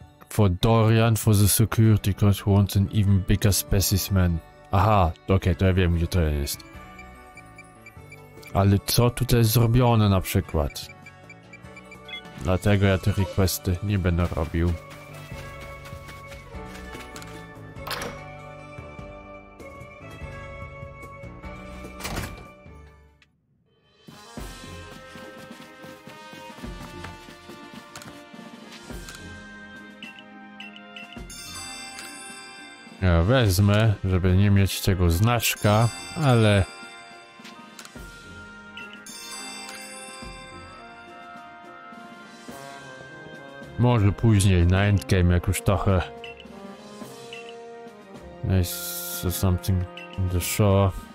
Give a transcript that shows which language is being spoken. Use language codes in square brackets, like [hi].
[en] For Dorian, for the security, because he wants an even bigger specimen. [pl] Aha, okej, to ja wiem, gdzie to jest. Ale co tutaj zrobione na przykład? Dlatego ja te requesty nie będę robił. Wezmę, żeby nie mieć tego znaczka, ale... Może później, na endgame, jak już trochę... [en] Nice, something in the shore.